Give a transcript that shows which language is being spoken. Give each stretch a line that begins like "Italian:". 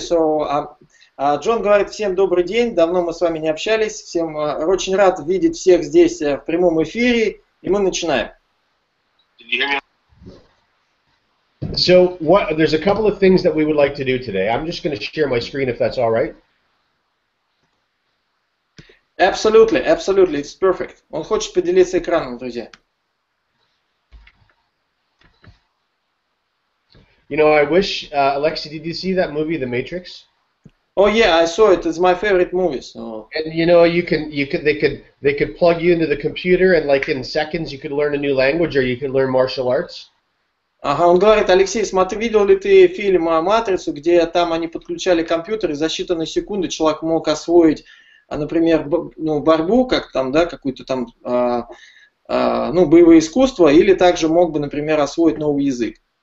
Russian: So, Джон говорит, всем добрый день, давно мы с вами не общались, всем очень рад видеть всех здесь в прямом эфире, и мы начинаем.
English: So, there's a couple of things that we would like to do today. I'm just going to share my screen, if that's all right. Absolutely, absolutely, it's perfect.
Russian: Он хочет поделиться экраном, друзья.
English: You know, I wish, Alexei, did you see that movie, The Matrix? Oh yeah, I saw it. It's my favorite movie. So. And you know, they could plug you into the computer, and like in seconds, you could learn a new language, or you could learn martial arts.
Russian: Ага, он говорит, Алексей, смотри, видел ли ты фильм о Матрице, где там они подключали компьютер, и за считанные секунды человек мог освоить, например, борьбу, как там, да, какую-то там, боевое искусство, или также мог бы, например, освоить новый язык.